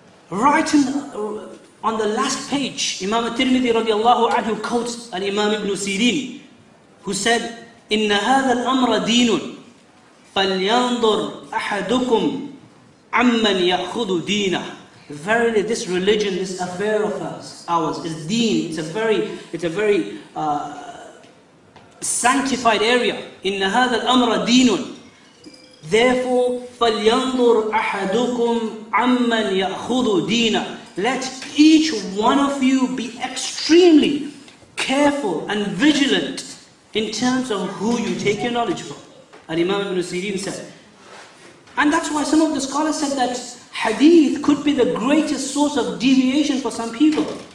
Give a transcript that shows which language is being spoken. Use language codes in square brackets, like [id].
[en] Right on the last page, Imam al-Tirmidhi radiallahu anhu quotes al-Imam ibn Sirin, who said, [ar] إِنَّ هَذَا الْأَمْرَ دِينٌ فَلْيَنْظُرْ أَحَدُكُمْ عَمَّنْ يَأْخُذُ دِينَهُ. [en] Verily, this religion, this affair of ours, is deen. It's a very sanctified area. [ar] إِنَّ هَذَا الْأَمْرَ دِينٌ. [en] Therefore, [ar] فَلْيَنْظُرْ أَحَدُكُمْ عَمَّنْ يَأْخُذُ دِينَهُ. [en] Let each one of you be extremely careful and vigilant in terms of who you take your knowledge from. Al-Imam ibn Sirin said. And that's why some of the scholars said that hadith could be the greatest source of deviation for some people.